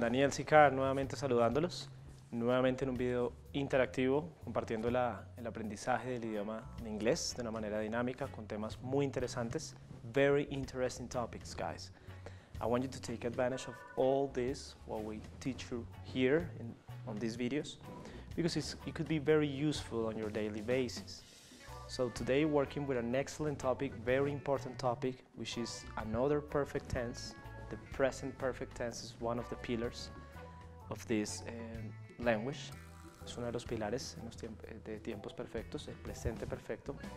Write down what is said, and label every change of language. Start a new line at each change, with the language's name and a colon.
Spanish: Daniel Sicar nuevamente saludándolos, nuevamente en un video interactivo compartiendo el aprendizaje del idioma de inglés de una manera dinámica con temas muy interesantes.
English: Very interesting topics, guys. I want you to take advantage of all this, what we teach you here in, on these videos, because it could be very useful on your daily basis. So today working with an excellent topic, very important topic, which is another perfect tense. The present perfect tense is one of the pillars of this language.
Spanish: Es uno de los pilares de tiempos perfectos, el presente perfecto.